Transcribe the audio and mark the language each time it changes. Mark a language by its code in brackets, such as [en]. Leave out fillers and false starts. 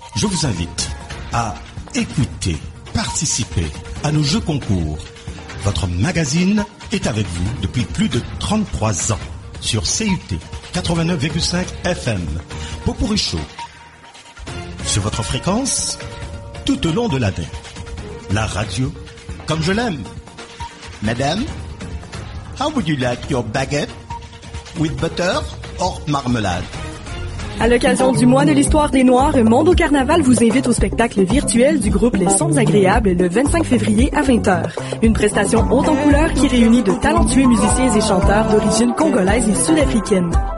[fr] Je vous invite à écouter, participer à nos jeux concours. Votre magazine est avec vous depuis plus de 33 ans sur CUT 89,5 FM. Popourri Show. Sur votre fréquence, tout au long de l'année. La radio, comme je l'aime. [en] Madame, how would you like your baguette with butter or marmelade? [fr] À l'occasion du mois de l'histoire des Noirs, Mondo Carnaval vous invite au spectacle virtuel du groupe Les Sons Agréables le 25 février à 20h. Une prestation haute en couleur qui réunit de talentueux musiciens et chanteurs d'origine congolaise et sud-africaine.